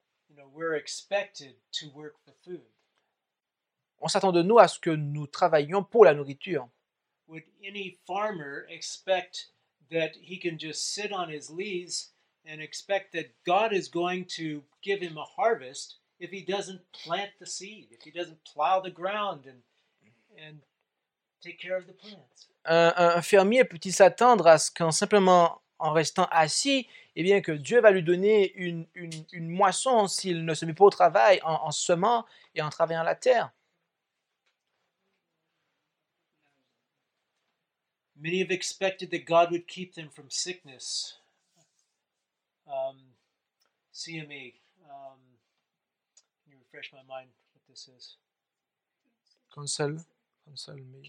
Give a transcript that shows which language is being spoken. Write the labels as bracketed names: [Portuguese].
[English] You know, we're expected to work for food. [French] On s'attend de nous à ce que nous travaillions pour la nourriture. [English] Would any farmer expect that he can just sit on his lees and expect that God is going to give him a harvest if he doesn't plant the seed, if he doesn't plow the ground and take care of the plants? [French] Un fermier peut-il s'attendre à ce qu'en simplement en restant assis, eh bien que Dieu va lui donner une moisson s'il ne se met pas au travail en semant et en travaillant la terre? [English] Many have expected that God would keep them from sickness. CME. Can you refresh my mind what this is? Counsel me.